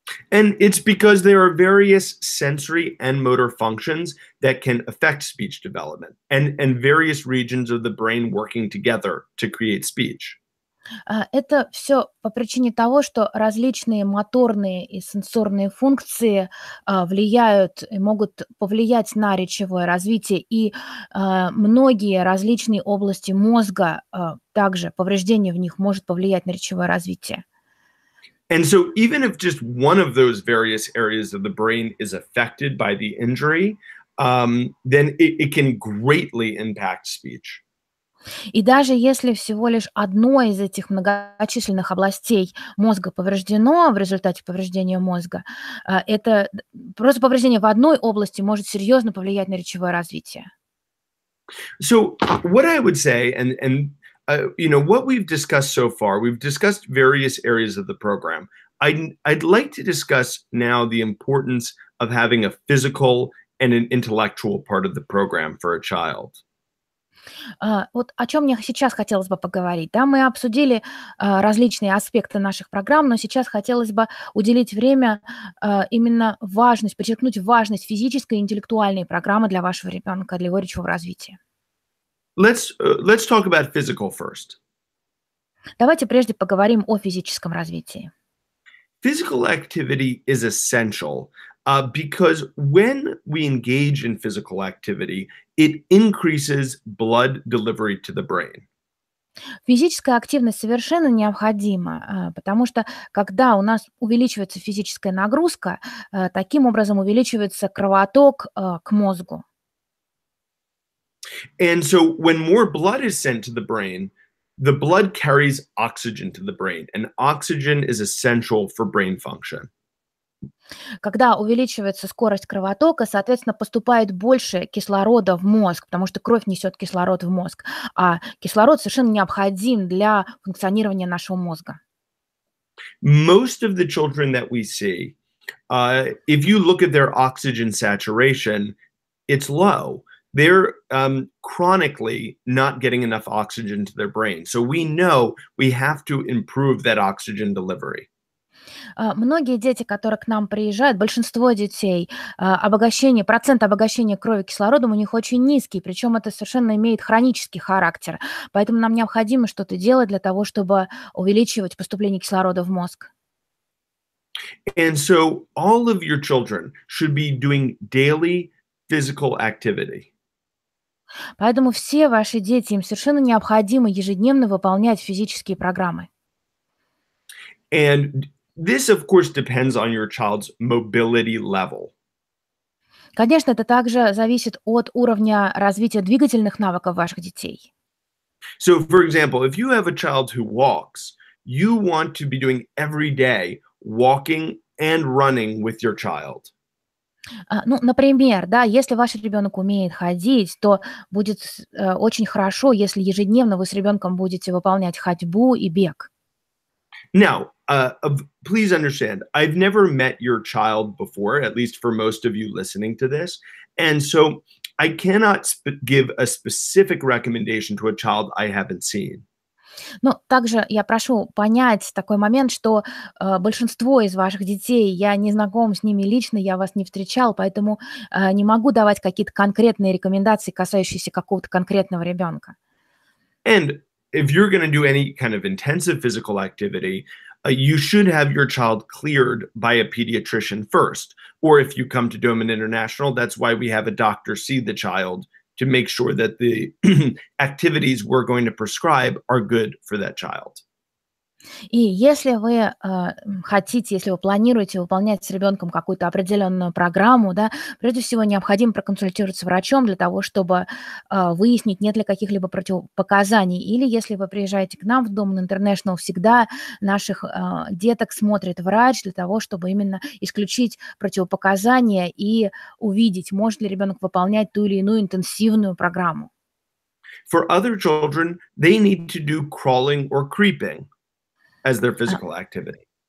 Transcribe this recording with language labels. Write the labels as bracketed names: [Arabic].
[English] And it's because there are various sensory and motor functions that can affect speech development and various regions of the brain working together to create speech. [Russian] Это все по причине того, что различные моторные и сенсорные функции влияют и могут повлиять на речевое развитие, и многие различные области мозга также повреждение в них может повлиять на речевое развитие. [English] And so even if just one of those various areas of the brain is affected by the injury, then it can greatly impact speech. [Russian] И даже если всего лишь одно из этих многочисленных областей мозга повреждено в результате повреждения мозга, это просто повреждение в одной области может серьезно повлиять на речевое развитие. [English] So what I would say, you know, what we've discussed so far, we've discussed various areas of the program. I'd like to discuss now the importance of having a physical and an intellectual part of the program for a child. [Russian] Вот о чем мне сейчас хотелось бы поговорить. Да, мы обсудили различные аспекты наших программ, но сейчас хотелось бы уделить время именно важность, подчеркнуть важность физической и интеллектуальной программы для вашего ребенка, для его речевого развития. [English] Let's talk about physical first. [Russian] Давайте прежде поговорим о физическом развитии. [English] Physical activity is essential, because when we engage in physical activity, it increases blood delivery to the brain. [Russian] Физическая активность совершенно необходима, потому что когда у нас увеличивается физическая нагрузка, таким образом увеличивается кровоток к мозгу. [English] And so when more blood is sent to the brain, the blood carries oxygen to the brain, and oxygen is essential for brain function. [Russian] Когда увеличивается скорость кровотока, соответственно, поступает больше кислорода в мозг, потому что кровь несет кислород в мозг, а кислород совершенно необходим для функционирования нашего мозга. [English] Most of the children that we see, if you look at their oxygen saturation, it's low. They're chronically not getting enough oxygen to their brain. So we know we have to improve that oxygen delivery. [Russian] Многие дети, которые к нам приезжают, большинство детей, обогащение, процент обогащения крови кислородом у них очень низкий, причем это совершенно имеет хронический характер. Поэтому нам необходимо что-то делать для того, чтобы увеличивать поступление кислорода в мозг. [English] And so all of your children should be doing daily physical activity. [Russian] Поэтому все ваши дети, им совершенно необходимо ежедневно выполнять физические программы. [English] And this, of course, depends on your child's mobility level. [Russian] Конечно, это также зависит от уровня развития двигательных навыков ваших детей. [English] So, for example, if you have a child who walks, you want to be doing every day walking and running with your child. [Russian] Ну, например, да, если ваш ребенок умеет ходить, то будет очень хорошо, если ежедневно вы с ребенком будете выполнять ходьбу и бег. [English] Now, please understand, I've never met your child before, at least for most of you listening to this, and so I cannot give a specific recommendation to a child I haven't seen. [Russian] Ну, также я прошу понять такой момент, что большинство из ваших детей, я не знаком с ними лично, я вас не встречал, поэтому не могу давать какие-то конкретные рекомендации, касающиеся какого-то конкретного ребенка. [English] And if you're going to do any kind of intensive physical activity, you should have your child cleared by a pediatrician first. Or if you come to Doman International, that's why we have a doctor see the child to make sure that the activities we're going to prescribe are good for that child. [Russian] И если вы хотите, если вы планируете выполнять с ребенком какую-то определенную программу, да, прежде всего необходимо проконсультироваться с врачом для того, чтобы выяснить, нет ли каких-либо противопоказаний. Или если вы приезжаете к нам в Doman International, всегда наших деток смотрит врач для того, чтобы именно исключить противопоказания и увидеть, может ли ребенок выполнять ту или иную интенсивную программу. [English] For other children, they need to do crawling or creeping as their physical activity.